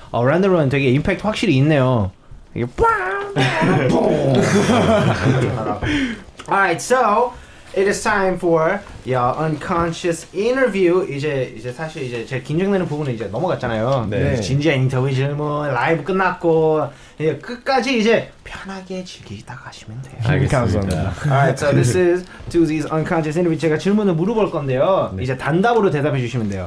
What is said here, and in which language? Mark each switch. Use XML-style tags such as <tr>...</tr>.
<ko>어, 랜더룬 되게 임팩트 확실히 있네요. 이게 빵.</ko> <en>Alright, so it is time for your unconscious interview.</en> <ko>이제 사실 이제 제일 긴장되는 부분은 이제 넘어갔잖아요. 네. 진지한 인터뷰 뭐 라이브 끝났고 이제 끝까지 이제 편하게 즐기다 가시면 돼요. 알겠습니다.</ko> <en>Alright, so this is 2Z's unconscious interview.</en> <ko>제가 질문을 물어볼 건데요. 네. 이제 단답으로 대답해 주시면 돼요.</ko>